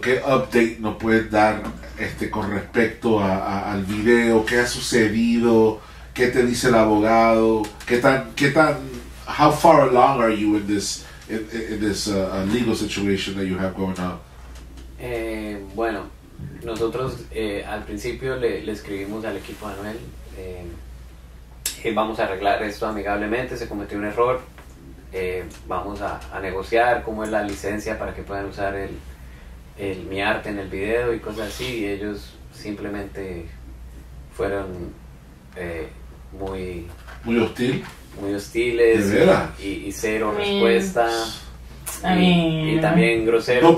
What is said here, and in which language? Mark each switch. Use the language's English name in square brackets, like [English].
[Spanish] ¿Qué update nos puedes dar con respecto al video? ¿Qué ha sucedido? ¿Qué te dice el abogado? ¿Qué tan [English] how far along are you in this legal situation that you have going on? [Spanish] Bueno, nosotros al principio le escribimos al equipo de Anuel, vamos a arreglar esto amigablemente, se cometió un error. Vamos a negociar cómo es la licencia para que puedan usar el mi arte en el video y cosas así, y ellos simplemente fueron muy hostiles y cero respuesta y también grosero,